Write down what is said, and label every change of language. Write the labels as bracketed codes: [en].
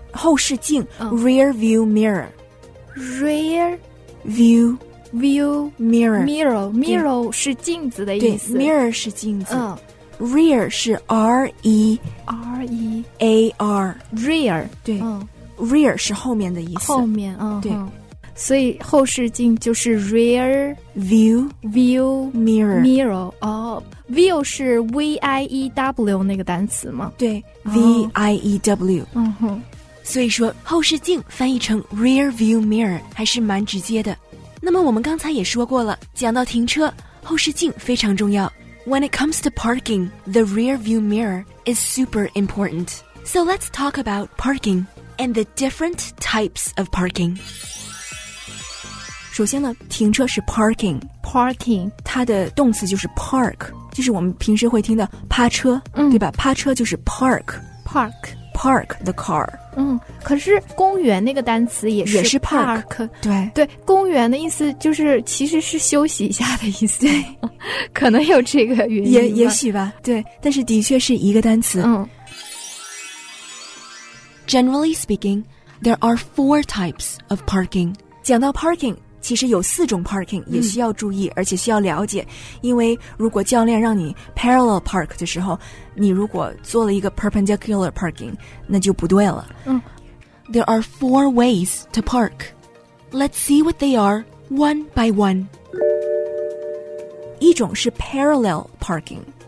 [zh] 后视镜、 [en] rear view mirror。 Rear view view mirror [zh] mirror mirror 是镜子的意思。对 ，mirror 是镜子。 [en] Rear [zh] 是 [en] r e r e a r rear [zh] 对。 Rear 是后面的意思。后面，对。所以后视镜就是 rear [en] view view mirror mirror 哦、oh, ，view 是 v i e w [zh] 那个单词吗？ [en] 对、oh. ，v i e w。 [zh] 所以说后视镜翻译成 [en] rear view mirror [zh] 还是蛮直接的。那么我们刚才也说过了，讲到停车，后视镜非常重要。 [en] When it comes to parking, the rear view mirror is super important. So let's talk about parking and the different types of parking. [zh] 首先呢，停车是 parking 它的动词就是 park， 就是我们平时会听的趴车、对吧，趴车就是 [en] park the car。 [zh] 可是公园那个单词也是 [en] park， 对 [zh] 对，公园的意思就是其实是休息一下的意思。对，可能有这个原因，也许吧。对，但是的确是一个单词。 [en] Generally speaking, there are four types of parking. [zh] 讲到 parking，其实有四种 parking 也需要注意、而且需要了解，因为如果教练让你 [en] parallel park [zh] 的时候，你如果做了一个 [en] perpendicular parking [zh] 那就不对了。 [en] There are four ways to park. Let's see what they are one by one. [zh] 一种是 parallel parking.